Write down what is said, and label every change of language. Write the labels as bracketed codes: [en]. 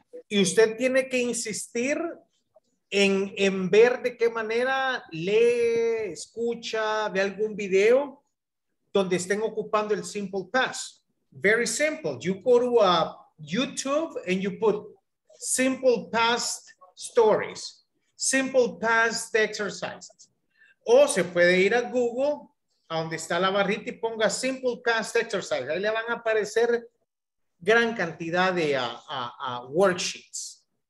[es] Y usted tiene que insistir en ver de qué manera lee, escucha, ve algún video donde estén ocupando el simple past. [en] Very simple. You go to a YouTube and you put simple past stories, simple past exercises. [es] O se puede ir a Google, a donde está la barrita, y ponga simple past exercise. Ahí le van a aparecer gran cantidad de worksheets.